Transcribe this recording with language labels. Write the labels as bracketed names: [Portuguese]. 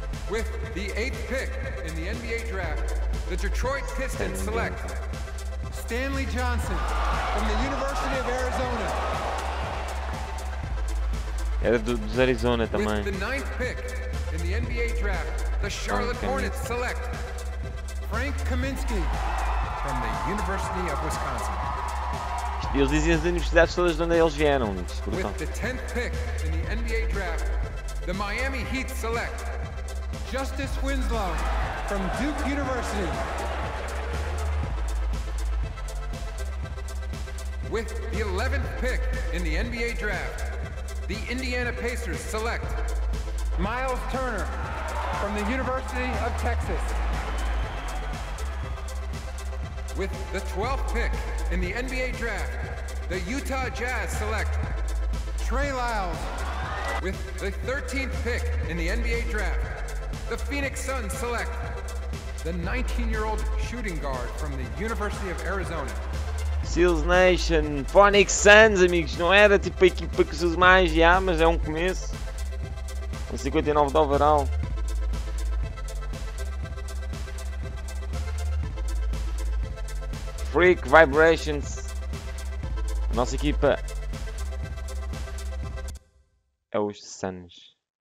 [English] With the 8th pick in the NBA draft, the Detroit Pistons select Stanley Johnson from the University of Arizona. [Portuguese] Era dos Arizona também. [English] With the 9th pick in the NBA draft, the Charlotte Hornets select Frank Kaminsky from the University of Wisconsin. [Portuguese] Eles dizem as universidades todas de onde eles vieram. [English] With the 10th pick in the NBA draft, the Miami Heat select Justice Winslow from Duke University. With the 11th pick in the NBA draft, the Indiana Pacers select Miles Turner from the University of Texas. With the 12th pick in the NBA draft, the Utah Jazz select Trey Lyles. With the 13th pick in the NBA draft, the Phoenix Suns select the 19-year-old shooting guard from the University of Arizona. [Portuguese] Seals Nation, Phoenix Suns, amigos, não era tipo a equipa que se usa mais, já, mas é um começo. O 59 de overall. Freak Vibrations, Nossa equipa é os Suns.